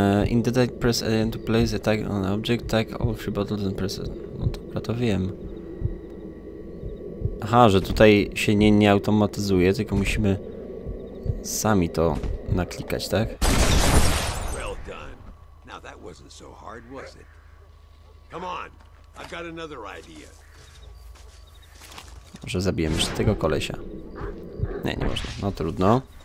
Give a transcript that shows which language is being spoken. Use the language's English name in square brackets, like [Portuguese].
[English] In the deck, press A to place attack on object, tag all three bottles and press... [Polish] No dobra, to wiem. Aha, że tutaj się nie automatyzuje, tylko musimy sami to naklikać, tak? [English] Well done. Now that wasn't so hard, was it? Come on, I've got another idea. [Polish] Może zabijemy jeszcze tego kolesia. Nie, nie można. No trudno.